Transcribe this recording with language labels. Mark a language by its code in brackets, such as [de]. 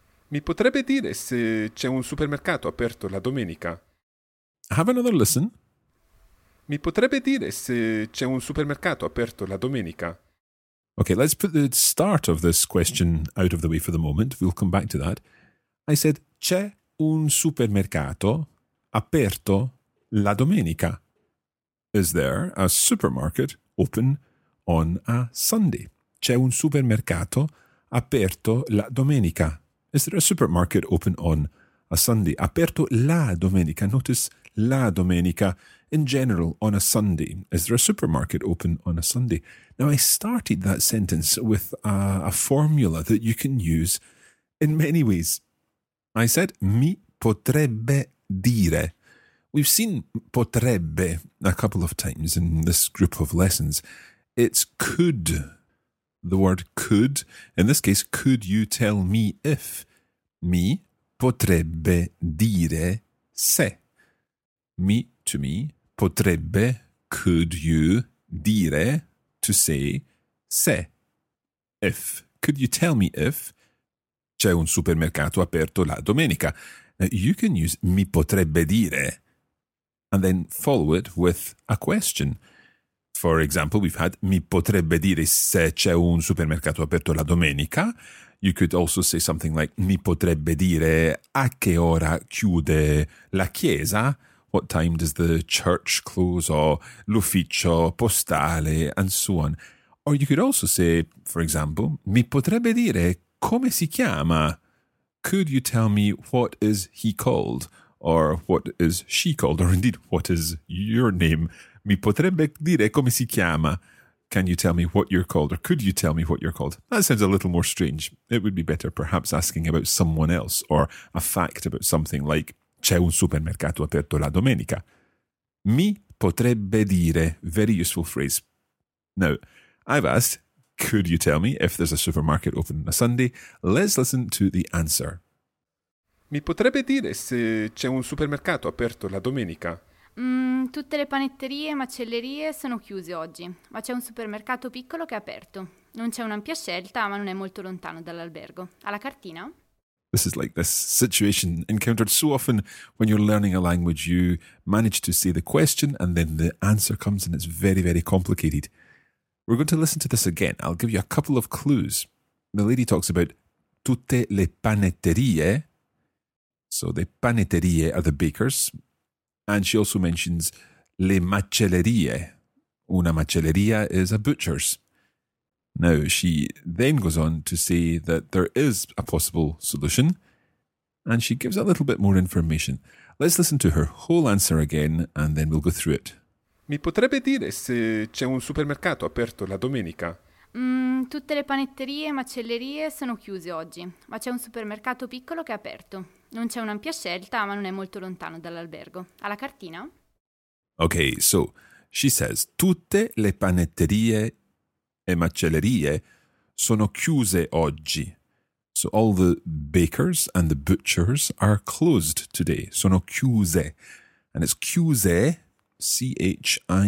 [it] Mi potrebbe dire se c'è un supermercato aperto la domenica? [en] Have another listen. [it] Mi potrebbe dire se c'è un supermercato aperto la domenica? [en] Okay, let's put the start of this question out of the way for the moment. We'll come back to that. I said, [it] c'è un supermercato aperto la domenica. [en] Is there a supermarket open on a Sunday? [it] C'è un supermercato aperto la domenica. [en] Is there a supermarket open on a Sunday? [it] Aperto la domenica. [en] Notice la domenica in general on a Sunday. Is there a supermarket open on a Sunday? Now, I started that sentence with a formula that you can use in many ways. I said, [it] mi potrebbe dire. [en] We've seen potrebbe a couple of times in this group of lessons. It's could. The word could, in this case, could you tell me if? [it] Mi potrebbe dire se. [en] Mi to me, potrebbe, could you, dire, to say, se. If, Could you tell me if... [it] C'è un supermercato aperto la domenica. [en] You can use [it] mi potrebbe dire. [en] And then follow it with a question. For example, we've had [it] mi potrebbe dire se c'è un supermercato aperto la domenica. [en] You could also say something like [it] mi potrebbe dire a che ora chiude la chiesa. [en] What time does the church close, or l'ufficio postale, and so on. Or you could also say, for example, [it] mi potrebbe dire come si chiama? [en] Could you tell me what is he called, or what is she called, or indeed what is your name? [it] Mi potrebbe dire come si chiama? [en] Can you tell me what you're called, or could you tell me what you're called? That sounds a little more strange. It would be better perhaps asking about someone else, or a fact about something like [it] c'è un supermercato aperto la domenica. Mi potrebbe dire, [en] very useful phrase. Now, I've asked, could you tell me if there's a supermarket open on a Sunday? Let's listen to the answer. [it] Mi potrebbe dire se c'è un supermercato aperto la domenica? Tutte le panetterie e macellerie sono chiuse oggi, ma c'è un supermercato piccolo che è aperto. Non c'è un'ampia scelta, ma non è molto lontano dall'albergo. Alla cartina? [en] This is like this situation encountered so often when you're learning a language. You manage to say the question and then the answer comes and it's very, very complicated. We're going to listen to this again. I'll give you a couple of clues. The lady talks about [it] tutte le panetterie. [en] So the panetterie are the bakers. And she also mentions le macellerie. Una macelleria is a butcher's. Now, she then goes on to say that there is a possible solution, and she gives a little bit more information. Let's listen to her whole answer again, and then we'll go through it. [it] Mi potrebbe dire se c'è un supermercato aperto la domenica? Tutte le panetterie e macellerie sono chiuse oggi, ma c'è un supermercato piccolo che è aperto. Non c'è un'ampia scelta, ma non è molto lontano dall'albergo. Alla cartina? [en] Okay, so she says [it] tutte le panetterie e macellerie sono chiuse oggi. [en] So all the bakers and the butchers are closed today. [it] Sono chiuse. [en] And it's chiuse, C-H-I-U-S-E.